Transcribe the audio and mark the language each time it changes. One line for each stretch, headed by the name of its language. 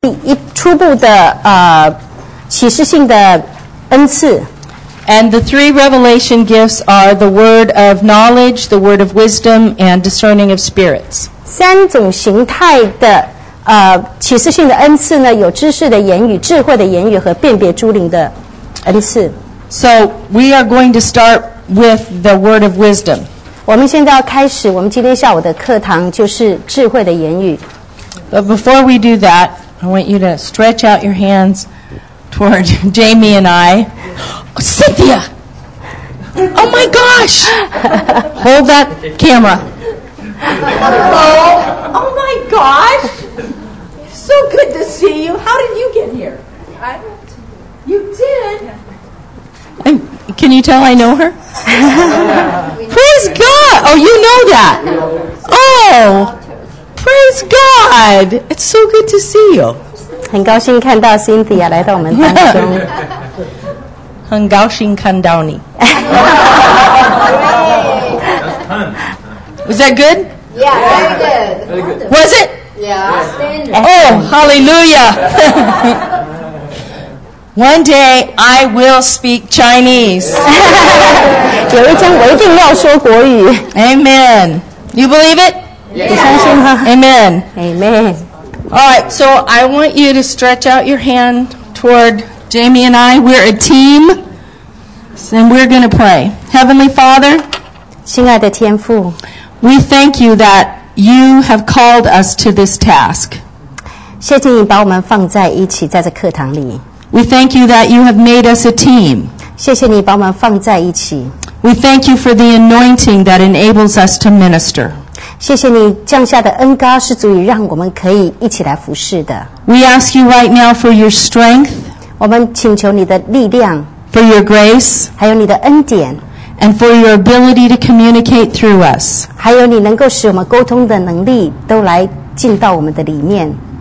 Chinese: 第一初步的启示性的恩赐。
English: And the three revelation gifts are the word of knowledge, the word of wisdom, and discerning of spirits.
Chinese: 三种形态的启示性的恩赐呢，有知识的言语、智慧的言语和辨别诸灵的恩赐。
English: So we are going to start with the word of wisdom.
Chinese: 我们现在要开始，我们今天下午的课堂就是智慧的言语。
English: But before we do that, I want you to stretch out your hands toward Jamie and I. Cynthia! Oh my gosh! Hold that camera. Hello! Oh my gosh! So good to see you. How did you get here? I went to. You did? Can you tell I know her? Praise God! Oh, you know that! Oh! Praise God! It's so good to see you.
Chinese: 很高兴看到 Cynthia 来到我们当中。很高兴看到你。
English: Was that good? Yeah, very good. Very good. Was it? Yeah. Oh, hallelujah. One day I will speak Chinese.
Chinese: 有一天我一定要说国语。
English: Amen. You believe it?
Chinese: Yeah. 你相信吗？
English: Amen. Amen. All right, so I want you to stretch out your hand toward Jamie and I. We're a team. And we're going to pray. Heavenly Father,
Chinese: 亲爱的天父,
English: we thank you that you have called us to this task.
Chinese: 谢谢你把我们放在一起在这课堂里。
English: We thank you that you have made us a team.
Chinese: 谢谢你把我们放在一起。
English: We thank you for the anointing that enables us to minister.
Chinese: 谢谢你降下的恩膏是足以让我们可以一起来服事的。
English: We ask you right now for your strength.
Chinese: 我们请求你的力量。
English: For your grace,
Chinese: 还有你的恩典,
English: and for your ability to communicate through us,
Chinese: 还有你能够使我们沟通的能力都来进到我们的里面。